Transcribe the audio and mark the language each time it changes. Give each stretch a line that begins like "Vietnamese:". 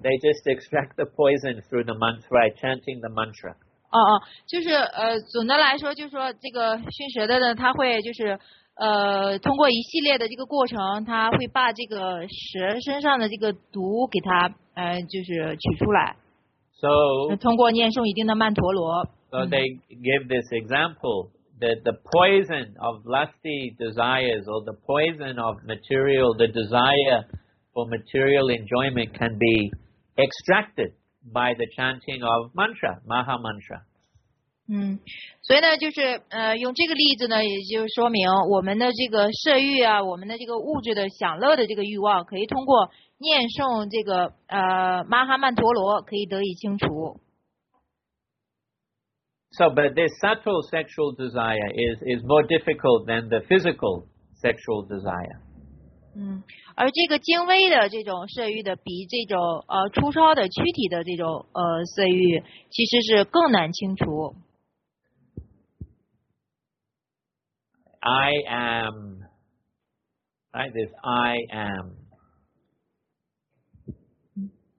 English: They just extract the poison through the mantra, chanting the mantra.
Chinese: 就是总的来说，就是说这个驯蛇的呢，他会就是。通过一系列的这个过程，他会把这个蛇身上的这个毒给他就是取出来。
English: So,
Chinese: 通过念诵一定的曼陀罗。
English: So they give this example that the poison of lusty desires or the poison of material, the desire for material enjoyment can be extracted by the chanting of mantra, Maha Mantra.
Chinese: 所以呢就是用这个例子呢也就说明我们的这个摄欲啊我们的这个物质的享乐的这个欲望可以通过念诵这个玛哈曼陀罗可以得以清除。
English: So, but this subtle sexual desire is more difficult than the physical sexual desire.
Chinese: 而这个精微的这种摄欲的比这种粗糙的躯体的这种摄欲其实是更难清除。
English: I am, right, this I am.